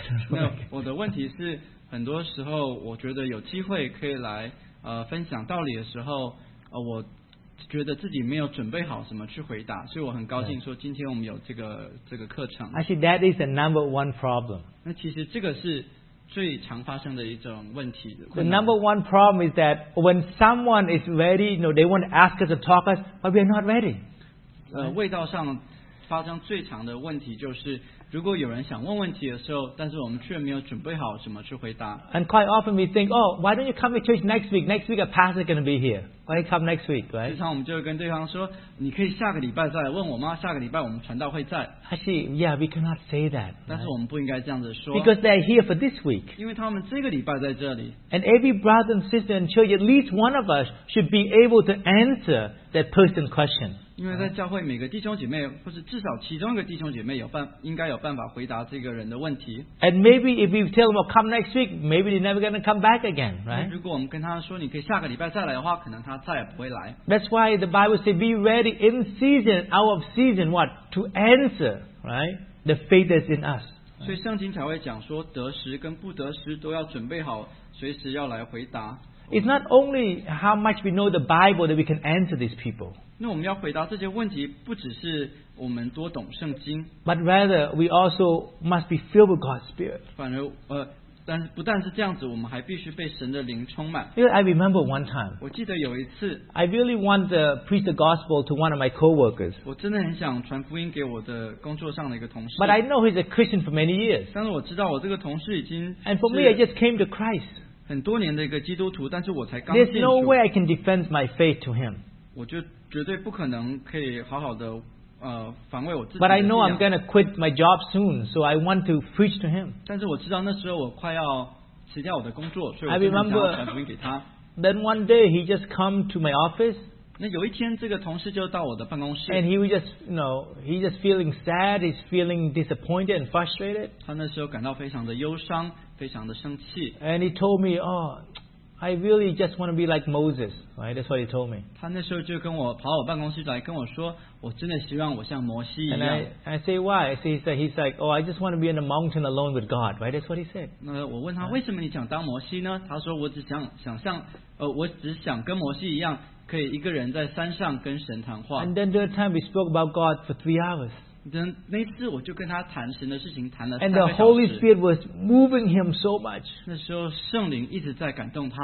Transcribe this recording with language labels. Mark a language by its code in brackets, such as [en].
[zh] No, 我的问题是，很多时候我觉得有机会可以来分享道理的时候，我觉得自己没有准备好什么去回答，所以我很高兴说今天我们有这个课程。 [en] Actually, that is the number one problem. [zh] 那其实这个是最常发生的一种问题。 [en] The number one problem is that when someone is ready, they want to ask us to talk us, but we are not ready. [zh] 味道上发生最常的问题就是。如果有人想问问题的时候，但是我们却没有准备好什么去回答。 [en] And quite often we think, oh, why don't you come to church next week? Next week a pastor is going to be here. Why don't you come next week, right? [zh] 时常我们就会跟对方说，你可以下个礼拜再来问我吗？下个礼拜我们传道会在。 [en] Actually, yeah, we cannot say that. [zh] 但是我们不应该这样子说。 [en] Because they are here for this week. [zh] 因为他们这个礼拜在这里。 [en] And every brother and sister in church, at least one of us should be able to answer that person's question. [zh] 因为在教会每个弟兄姐妹或是至少其中一个弟兄姐妹应该有办法回答这个人的问题。 [en] And maybe if you tell them, come next week, maybe they're never going to come back again, right? [zh] 如果我们跟他说你可以下个礼拜再来的话，可能他再也不会来。 [en] That's why the Bible says, be ready in season, out of season, what? To answer, right? The faith that's in us. [zh] 所以圣经才会讲说得时跟不得时都要准备好随时要来回答。 [en] It's not only how much we know the Bible that we can answer these people. [zh] 那我们要回答这些问题，不只是我们多懂圣经。 [en] But rather, we also must be filled with God's Spirit. [zh] 反而，但不但是这样子，我们还必须被神的灵充满。 [en] Because I remember one time. [zh] 我记得有一次。 [en] I really want to preach the gospel to one of my co-workers. [zh] 我真的很想传福音给我的工作上的一个同事。 [en] But I know he's a Christian for many years. [zh] 但是我知道我这个同事已经。 [en] And for me, I just came to Christ. [zh] 很多年的一个基督徒，但是我才刚信主。 [en] There's no way I can defend my faith to him. [zh] 我就。绝对不可能可以好好的防卫我自己。 [en] But I know I'm going to quit my job soon, so I want to preach to him. [zh] 但是我知道那时候我快要辞掉我的工作，所以我就想要传福音给他。 [en] Then one day he just come to my office. [zh] 那有一天这个同事就到我的办公室。 [en] And he was just, you know, he just feeling sad, he's feeling disappointed and frustrated. [zh] 他那时候感到非常的忧伤，非常的生气。 [en] And he told me, I really just want to be like Moses, right? That's what he told me. [zh] 他那时候就跟我跑我办公室来跟我说，我真的希望我像摩西一样。 [en] And I say why? I say he's like, oh, I just want to be in the mountain alone with God, right? That's what he said. [zh] 那我问他为什么你想当摩西呢？他说我只想像我只想跟摩西一样，可以一个人在山上跟神谈话。 [en] And then the time we spoke about God for 3 hours. [zh] 那次我就跟他谈神的事情，谈了三个小时。 [en] And the Holy Spirit was moving him so much. [zh] 那时候圣灵一直在感动他。